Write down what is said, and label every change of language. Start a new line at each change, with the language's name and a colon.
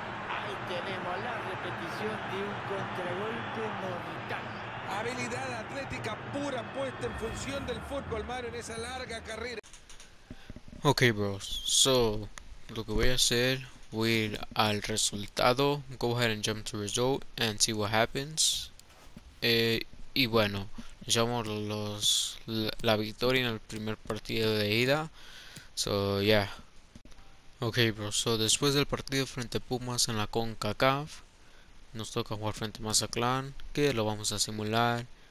Spanish: Ahí tenemos la repetición de un contragolpe mortal. Habilidad atlética pura puesta en función del fútbol, Mario, en esa larga carrera.
English: Ok, bros.
Spanish: So, lo que voy a hacer, voy a ir al resultado.
English: Go ahead and jump to result and see what happens.
Spanish: Y bueno, llevamos la victoria en el primer partido de ida.
English: So, yeah. Ok, bros.
Spanish: So, después del partido frente a Pumas en la CONCACAF, nos toca jugar frente a Mazatlán, que lo vamos a simular.